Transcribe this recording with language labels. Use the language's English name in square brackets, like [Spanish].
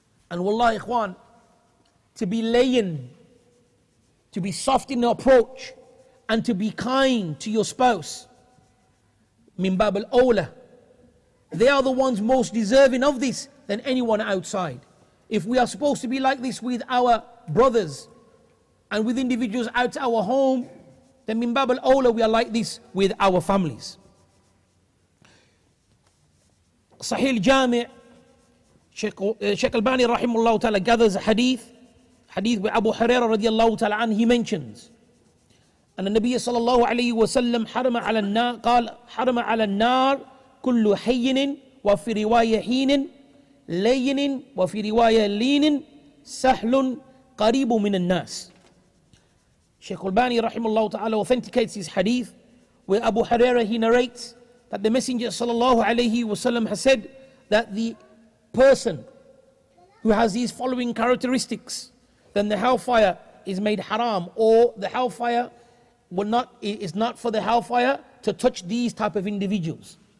[English] And wallahi, ikhwan, to be laying, to be soft in the approach, and to be kind to your spouse, min bab al-awla, they are the ones most deserving of this than anyone outside. If we are supposed to be like this with our brothers and with individuals out our home, then min bab al-awla, we are like this with our families. Sahih al-Jami', Shaykh al-Bani rahimullah ta'ala gathers a hadith with Abu Huraira radiallahu ta'ala, and he mentions, [Arabic] أن النبي صلى الله عليه وسلم حرم على النار قال حرم على النار كل حين وفي رواية حين لين وفي رواية لين سهل قريب من الناس. [English] Sheikh Al-Bani رحمه الله تعالى authenticates his hadith where Abu Huraira, he narrates that the Messenger صلى الله عليه وسلم has said that the person who has these following characteristics, then the hellfire is made haram, or the hellfire will not, it is not for the hellfire to touch these type of individuals.